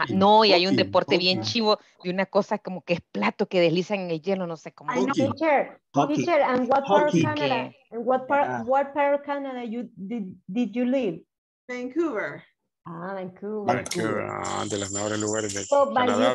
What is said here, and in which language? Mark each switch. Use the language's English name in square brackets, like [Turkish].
[Spanish] No, no, y hay un deporte bien chivo y una cosa como que es plato que deslizan en el hielo, no sé cómo. [English] Teacher, hockey. Teacher, and what part of Canada? And what part of Canada did you live? Vancouver. Ah, Vancouver. [Spanish] Vancouver, de los mejores lugares de Canadá, ¿verdad?